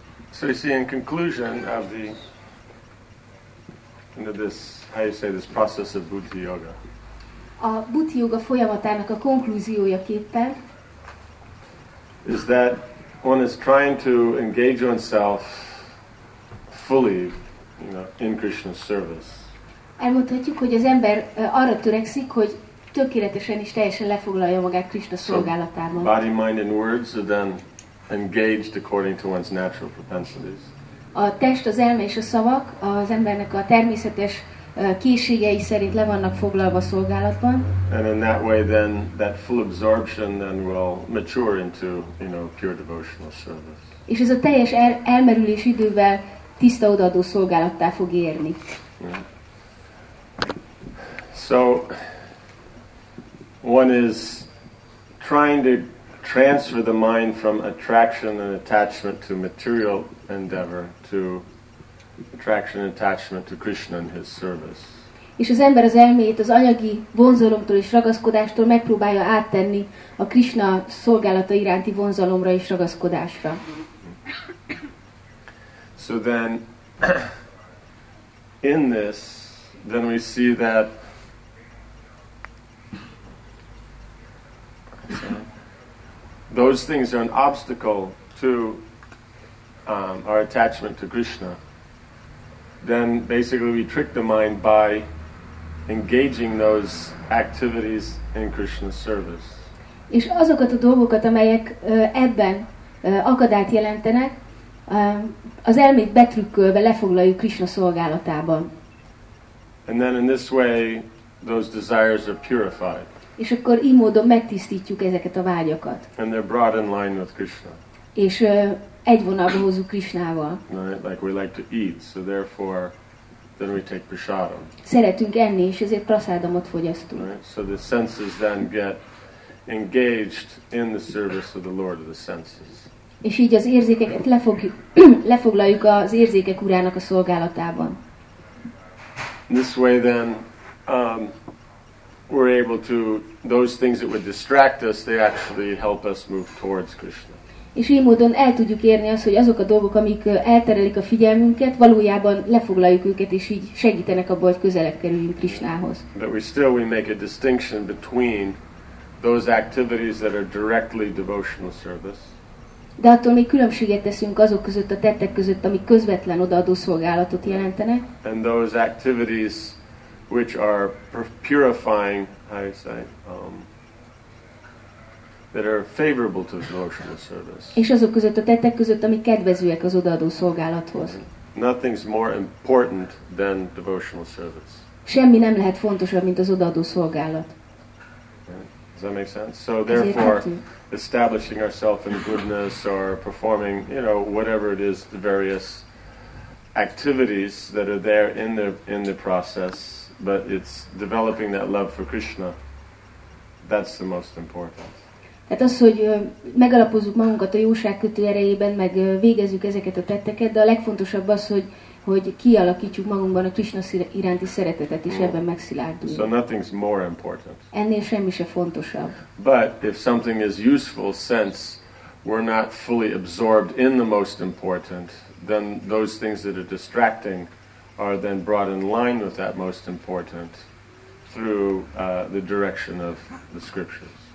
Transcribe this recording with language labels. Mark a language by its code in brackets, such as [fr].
[en] So you see, in conclusion of the end of this, how you say this process of Bhuti Yoga. [hu] A Bhuti Yoga folyamatának a konklúziójaképpen. [en] Is that one is trying to engage oneself fully, you know, in Krishna's service. [hu] Elmondhatjuk, hogy az ember arra törekszik, hogy tökéletesen és teljesen lefoglalja magát Krishna szolgálatában. [en] So body, mind, and words are then engaged according to one's natural propensities. [hu] A test, az elme és a szavak az embernek a természetes készségei szerint le vannak foglalva a szolgálatban. [en] And in that way then that full absorption then will mature into, you know, pure devotional service. [hu] És ez a teljes elmerülés idővel tiszta odaadó szolgálattá fog érni. [en] So one is trying to transfer the mind from attraction and attachment to material endeavor to attraction and attachment to Krishna and his service. [hu] És az ember az elméjét az anyagi vonzalomtól és ragaszkodástól megpróbálja áttenni a Krishna szolgálata iránti vonzalomra és ragaszkodásra. [en] So then in this then we see that those things are an obstacle to our attachment to Krishna. Then basically we trick the mind by engaging those activities in Krishna's service. [hu] És azokat a dolgokat, amelyek ebben akadályt jelentenek, az elmét betrükkölve lefoglaljuk Krishna szolgálatában. [en] And then in this way those desires are purified. [hu] És akkor így módon megtisztítjuk ezeket a vágyakat. [en] And they're brought in line with Krishna. [hu] És egy vonalba hozzuk Krishnával. [en] Like we like to eat, so therefore then we take prasadam. [hu] Szeretünk enni, és ezért prasadamot fogyasztunk. [en] Right? So the senses then get engaged in the service of the Lord of the senses. [hu] És így az érzékeket lefoglaljuk az érzékek urának a szolgálatában. [en] This way then we're able to those things that would distract us, they actually help us move towards Krishna. [hu] És így módon el tudjuk érni azt, hogy azok a dolgok, amik elterelik a figyelmünket, valójában lefoglaljuk őket, és így segítenek abban, hogy közelebb kerüljünk Krishnához. [en] But we still we make a distinction between those activities that are directly devotional service. [hu] De attól még különbséget teszünk azok között a tettek között, amik közvetlen odaadó szolgálatot jelentenek. [en] And those activities which are purifying, how you say, that are favorable to devotional service. [hu] És azok között a tettek között, amik kedvezőek az odaadó szolgálathoz. [en] Nothing's more important than devotional service. [hu] Semmi nem lehet fontosabb, mint az odaadó szolgálat. [en] Okay. Does that make sense? So therefore, establishing ourselves in goodness or performing, you know, whatever it is, the various activities that are there in the process. But it's developing that love for Krishna. That's the most important. [hu] Tehát az, hogy megalapozzuk magunkat a jóságkötő erejében, meg végezzük ezeket a tetteket, de a legfontosabb az, hogy kialakítsuk magunkban a Krishna iránti szeretetet, és ebben megszilárduljunk. [en] So nothing's more important. [hu] Ennél semmi se fontosabb. [en] But if something is useful since we're not fully absorbed in the most important, then those things that are distracting are then brought in line with that most important through the direction of the scriptures.